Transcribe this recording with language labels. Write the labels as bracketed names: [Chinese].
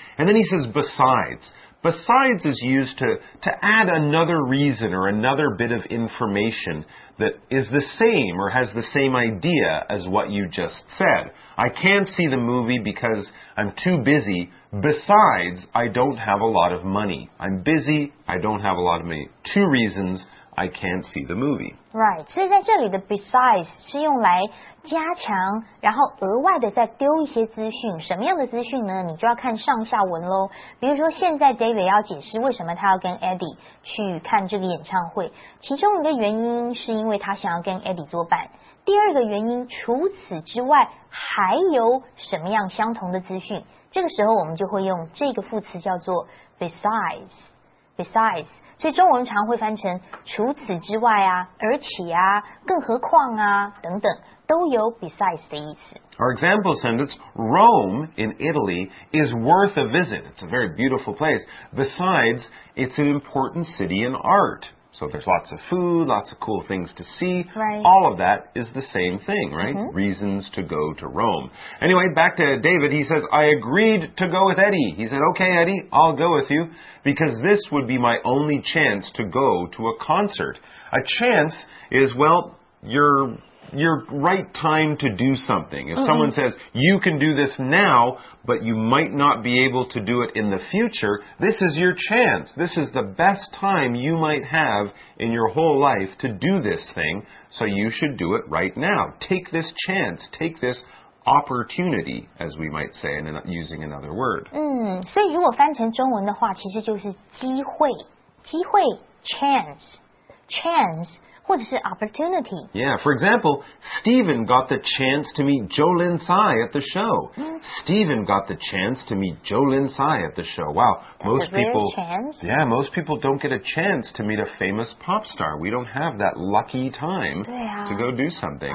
[English] And then he says, besides. Besides is used to add another reason or another bit of information that is the same or has the same idea as what you just said. I can't see the movie because I'm too busy. Besides, I don't have a lot of money. I'm busy, I don't have a lot of money. Two reasons I can't see the movie. [Chinese] Right, 所以在这里的 besides 是用来加强，然后额外的再丢一些资讯。什么样的资讯呢？你就要看上下文咯。比如说现在 David 要解释为什么他要跟 Eddie 去看这个演唱会，其中一个原因是因为他想要跟 Eddie 作伴。第二个原因，除此之外还有什么样相同的资讯，这个时候我们就会用这个副词叫做 besides。所以中文常会翻成除此之外啊，而且啊，更何况啊，等等，都有 besides 的意思。 [English] Our example sentence, Rome in Italy is worth a visit. It's a very beautiful place. Besides, it's an important city in art. So there's lots of food, lots of cool things to see. Right. All of that is the same thing, right? Mm-hmm. Reasons to go to Rome. Anyway, back to David. He says, I agreed to go with Eddie. He said, okay, Eddie, I'll go with you because this would be my only chance to go to a concert. A chance is, well, your right time to do something. If someone says, you can do this now, but you might not be able to do it in the future, this is your chance. This is the best time you might have in your whole life to do this thing, so you should do it right now. Take this chance. Take this opportunity, as we might say, in using another word. [Chinese] 所以如果翻成中文的话，其实就是机会 chance,或者是 opportunity. [English] Yeah, for example, Stephen got the chance to meet Jolin Tsai at the show. Stephen got the chance to meet Jolin Tsai at the show. Wow, most people don't get a chance to meet a famous pop star. We don't have that lucky time to go do something.